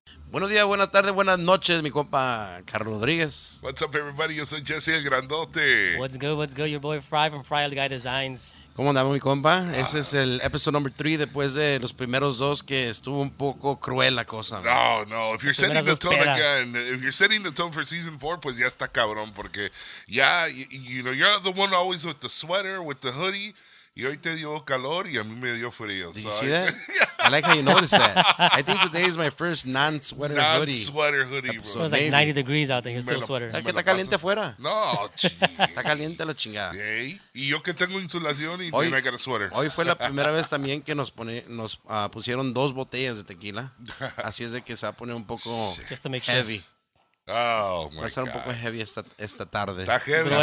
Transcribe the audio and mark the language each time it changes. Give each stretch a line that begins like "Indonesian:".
Spanish: Buenos días, buenas tardes, buenas noches, mi compa Carlos Rodríguez.
English: What's up, everybody?
Spanish: Yo soy Jesse el Grandote.
English: What's good, your boy Fry from Fry the Guy Designs.
Spanish: ¿Cómo andamos, mi compa? Ese es el
English: episode number
Spanish: 3 después de los primeros dos que estuvo un poco cruel la cosa.
English: No, no, if you're setting the tone again, if you're setting the tone for season 4,
Spanish: pues ya está cabrón, porque ya,
English: you know, you're the one always with the sweater, with the hoodie.
Spanish: Y hoy te dio calor y a mí me dio frío.
English: Did you see that? I like how you noticed that. I think today is my first non-sweater hoodie. Non-sweater hoodie, bro. It was like 90 degrees out there. It's still sweater.
Spanish: ¿Qué está caliente afuera? No, chingada. Está caliente la chingada. Y yo que tengo insulación y hoy,
English: I got a sweater.
Spanish: Hoy fue la primera vez también que nos pusieron dos botellas de tequila. Así es de que se va a poner un poco
English: just to make heavy.
Spanish: Sure.
English: Oh, my
Spanish: va a ser un poco heavy esta tarde. Está heavy. Grueso.